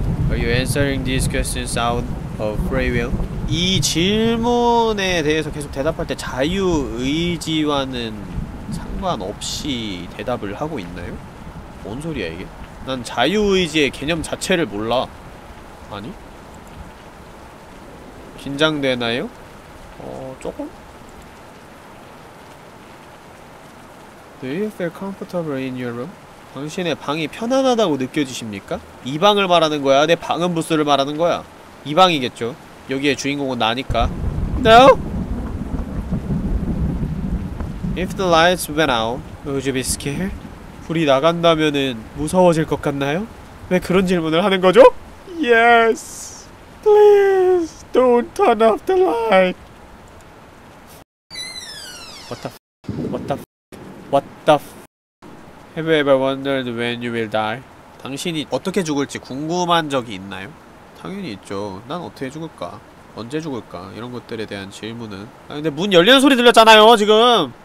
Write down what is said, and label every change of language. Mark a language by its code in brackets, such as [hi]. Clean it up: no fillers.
[en] Are you answering these questions out of free will? [ko] 이 질문에 대해서 계속 대답할 때 자유 의지와는 상관없이 대답을 하고 있나요? 뭔 소리야 이게? 난 자유의지의 개념 자체를 몰라. 아니? 긴장되나요? 조금? [en] Do you feel comfortable in your room? [ko] 당신의 방이 편안하다고 느껴지십니까? 이 방을 말하는 거야? 내 방음 부스를 말하는 거야? 이 방이겠죠? 여기에 주인공은 나니까. [en] No? If the lights went out, would you be scared? [ko] 불이 나간다면은 무서워질 것 같나요? 왜 그런 질문을 하는 거죠? [en] Yes. Please don't turn off the light. What the f? What the f? What the f? Have you ever wondered when you will die? [ko] 당신이 어떻게 죽을지 궁금한 적이 있나요? 당연히 있죠. 난 어떻게 죽을까? 언제 죽을까? 이런 것들에 대한 질문은. 아, 근데 문 열리는 소리 들렸잖아요, 지금.